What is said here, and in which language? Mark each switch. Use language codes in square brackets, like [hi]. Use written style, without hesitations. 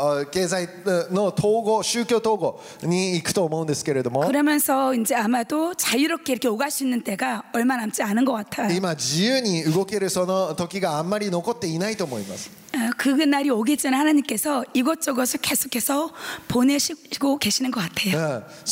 [ja] 経済の統合、宗教統合に行くと思うんですけれども。 [ko] 그러면서 이제 아마도 자유롭게 이렇게 오갈 수 있는 때가 얼마 남지 않은 것 같아요. [ja] 今自由に動けるその時があんまり残っていないと思います。 [ko] 그 날이 오기 전에 하나님께서 이것저것을 계속해서 보내시고 계시는 것 같아요.